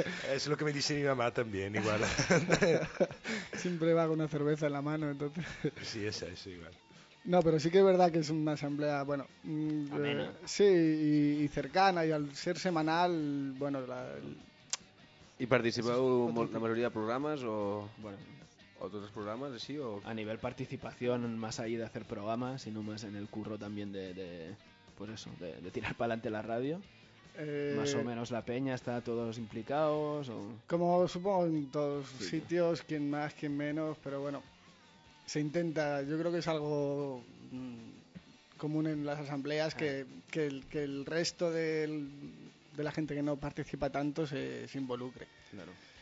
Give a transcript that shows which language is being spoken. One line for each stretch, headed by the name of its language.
Spanish: Es lo que me dice mi mamá también, igual. Siempre va con una cerveza en la mano, entonces... sí, es eso, igual. No, pero sí que es verdad que es una asamblea, bueno... sí, y cercana, y al ser semanal, bueno...
Catalan: I participeu la majoria de programes o... bueno, o tots els programes així o... A nivell participació, més allà de fer programes i només en el curro també de
Spanish: pues eso, de tirar p'alante
Catalan: la ràdio.
Spanish: Más o menos la peña
Catalan: està tots implicats o...
Spanish: Como supongo en todos sitios, quien más, quien menos, pero bueno. se intenta, yo creo que es algo común en las asambleas que el resto de la gente que no participa tanto se involucre. Claro.